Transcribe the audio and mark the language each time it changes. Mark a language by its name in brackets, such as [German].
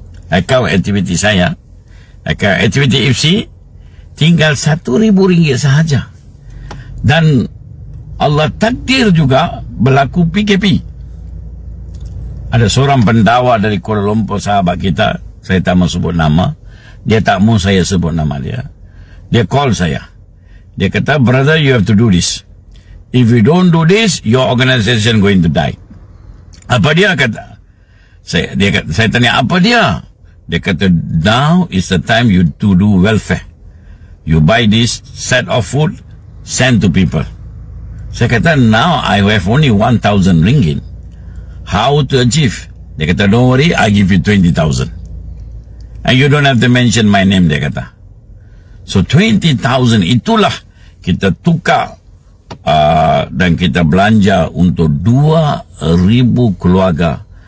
[Malay] Account activity saya, account activity IFC tinggal RM1,000 saja. Dan Allah takdir juga berlaku PKP. Ada seorang pendawa dari Kuala Lumpur, sahabat kita, saya tak mau sebut nama, dia tak mau saya sebut nama dia. Dia call saya. Dia kata, [English] brother, you have to do this. If you don't do this, your organization going to die. [Malay] Apa dia kata? Saya tanya, apa dia? Dia kata, [English] now is the time you to do welfare. You buy this set of food, send to people. [Malay] Saya kata, [English] now I have only 1,000 ringgit. How to achieve? [Malay] Dia kata, [English] don't worry, I give you 20,000. And you don't have to mention my name, [Malay] dia kata. So 20,000 itulah kita tukar dan kita belanja untuk 2,000 keluarga.